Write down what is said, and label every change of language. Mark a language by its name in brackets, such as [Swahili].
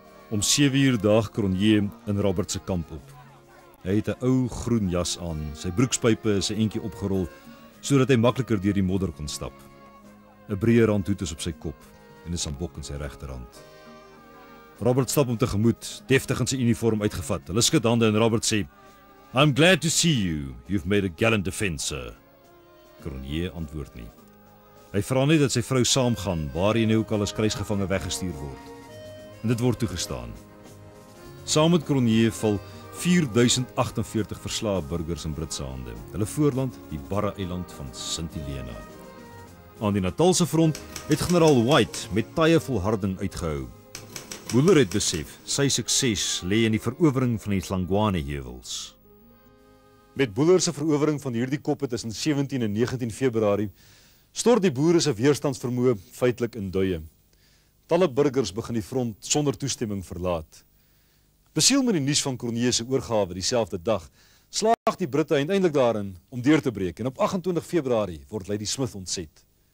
[Afrikaans] Om 7 uur daag Cronier in Roberts se kamp op. Hy het 'n ou groen jas aan, sy broekspype is 'n eentjie opgerol, sodat hy makliker deur die modder kon stap. Een breë randhoed is op sy kop en een sambok in sy regterhand. Robert stap hom tegemoet, deftig in sy uniform uitgevat. Hulle skud hande en Robert sê, [English] "I'm glad to see you. You've made a gallant defense, sir." [Afrikaans] Cronier antwoord nie. Hy vra net dat sy vrou saamgaan, waar hy nou ook al as krijgsgevange weggestuur word. En dit word toegestaan. Saam met Cronier val 4048 verslae burgers in Britse hande. Hulle voorland, die barre eiland van Sint Helena. Aan die Natalse front het generaal White met taaie volharding uitgehou. Buller het besef, sy sukses lê in die verowering van die Slangwane-heuwels. Met Buller se verowering van hierdie koppe tussen 17 en 19 februari, stort die boere se weerstandsvermoë feitelik in duie. Talle burgers begin die front sonder toestemming verlaat. Besiel met die nuus van Cronier se oorgawe dieselfde dag, slaag die Britte uiteindelik daarin om deur te breek en op 28 februari word Lady Smith ontzet.